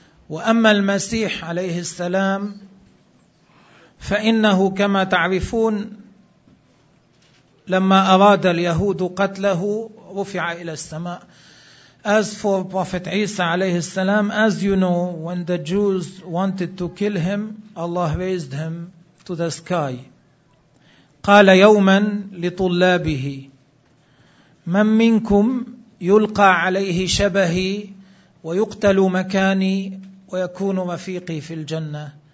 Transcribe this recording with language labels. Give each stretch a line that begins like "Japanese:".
Arabic: وأما المسيح عليه السلام فإنه كما تعرفون لما أراد اليهود قتله رفع إلى السماء.
English: As for Prophet Isa
Arabic: عليه السلام,
English: as you know, when the Jews wanted to kill him, Allah raised him to the sky.
Arabic: قال يوما لطلابه من منكم يلقى عليه شبهي ويقتل مكاني ويكون رفيقي في الجنة.